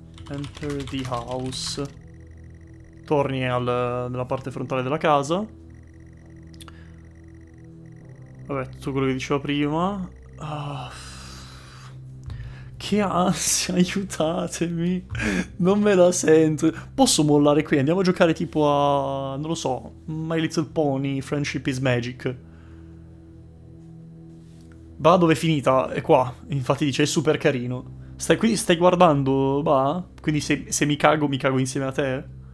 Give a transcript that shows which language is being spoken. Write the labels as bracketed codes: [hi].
[en] Enter the house. [it] Torni nella parte frontale della casa. Vabbè, tutto quello che dicevo prima. Che ansia, aiutatemi. Non me la sento. Posso mollare qui? Andiamo a giocare tipo a... non lo so. [en] My Little Pony, Friendship is Magic. [it] Va dove è finita? È qua. Infatti dice, è super carino. Stai guardando, va? Quindi se mi cago insieme a te?